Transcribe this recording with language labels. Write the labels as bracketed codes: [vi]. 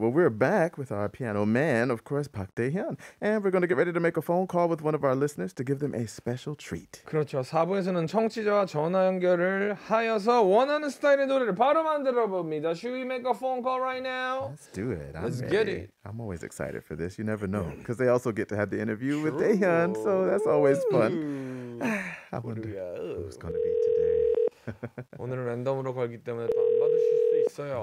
[en] Well, we're back with our piano man, of course, Park Dae-hyun. And we're going to get ready to make a phone call with one of our listeners to give them a special treat. [ko] 그렇죠. 4부에서는 청취자와 전화 연결을 하여서 원하는 스타일의 노래를 바로 만들어 봅니다. [en] Should we make a phone call right now? Let's do it. Let's get it. I'm always excited for this. You never know. Because they also get to have the interview with Dae-hyun. So that's always fun. I wonder who's going to be today. [ko] 오늘은 랜덤으로 걸기 때문에 또 안 받으실 수 있어요.